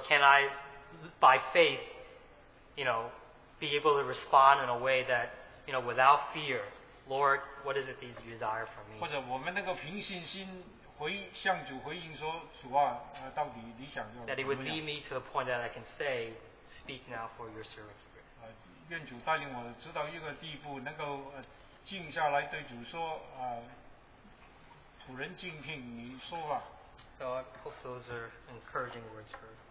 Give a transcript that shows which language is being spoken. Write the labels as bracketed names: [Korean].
[English] can I, by faith, you know, be able to respond in a way that, you know, without fear, Lord, what is it that you desire from me? [Chinese] 或者我们能够凭信心向主回应说，主啊，到底你想要怎么样？ [English] That it would lead me to a point that I can say, speak now for your servant. [Chinese] 愿主带领我直到一个地步，能够静下来对主说，仆人静听你说吧。 [English] So I hope those are encouraging words for